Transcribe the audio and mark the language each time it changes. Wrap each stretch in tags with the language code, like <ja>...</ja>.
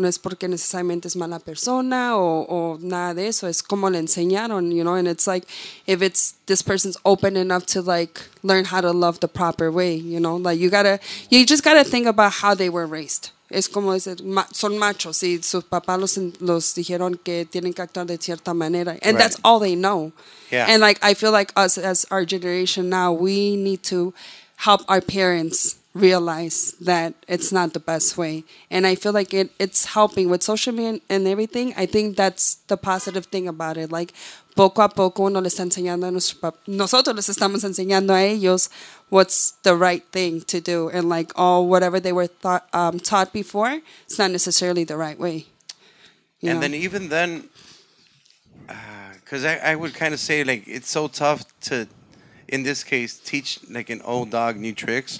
<es>No es porque necesariamente es mala persona o nada de eso. Es como le enseñaron,</es> <en>you know. And it's like, if it's this person's open enough to like learn how to love the proper way, you know, like you just gotta think about how they were raised.</en> <es>es como decir, son machos y sus papás los dijeron que tienen que actuar de cierta manera.</es> <en>And that's all they know. Yeah. And like, I feel like us as our generation now, we need to help our parents realize that it's not the best way. And I feel like it's helping with social media and everything. I think that's the positive thing about it.</en> <es>Like, poco a poco uno le está enseñando a nuestro papá. Nosotros les estamos enseñando a ellos</es> <en>what's the right thing to do. And like, all whatever they were taught before, it's not necessarily the right way. You know? Then even then, because I would kind of say, like, it's so tough to, in this case, teach like an old dog new tricks.</en>